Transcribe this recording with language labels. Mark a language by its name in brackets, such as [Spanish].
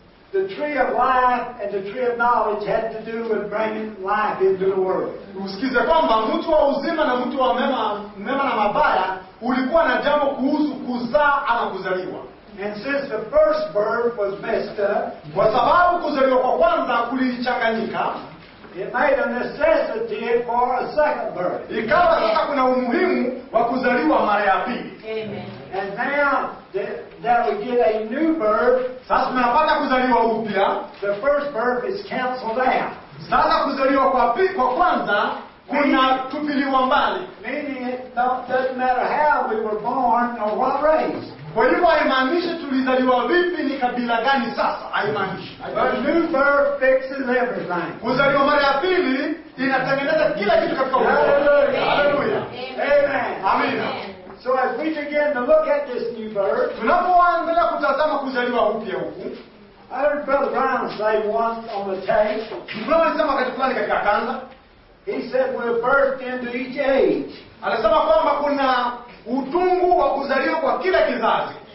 [English] The tree of life and the tree of knowledge had to do with bringing life into the world. [Swahili] Usikize kwamba mtu wa uzima na mtu wa mema, mema na mabaya ulikuwa na jambo kuhusu kuzaa ama kuzaliwa. [English] And since the first birth was messed up, [Swahili] kwa sababu kuzaliwa kwa kwanza kulichanganyika, [English] it made a necessity for a second birth. [Swahili] Ikawa sasa kuna umuhimu wa kuzaliwa mara ya pili. [English] Amen. And now that we get a new birth, [Swahili] sasa tunapata kuzaliwa upya, [English] the first birth is canceled out. [Swahili] Sasa kuzaliwa kwa pili kwa kwanza kuna tupiliwa mbali. [English] Meaning it doesn't matter how we were born or what race. [Swahili] Kwa hivyo haimaanishi tulizaliwa vipi ni kabila gani sasa, haimaanishi. [English] But new birth fixes everything. [Swahili] Kuzaliwa mara ya pili inatengeneza kila kitu katika ulimwengu. [English] Hallelujah. Hallelujah. Amen. [Swahili] Amina. [English] So as we begin to look at this new birth, [Swahili] tunapoanza kutazama kuzaliwa upya huku, [English] I heard Brother Brown say once on the tape, [Swahili] Brother alisema wakati fulani katika kanda, [English] he said we're birthed into each age. [Swahili] Alisema kwamba kuna utungu wa kuzaliwa kwa kila kizazi.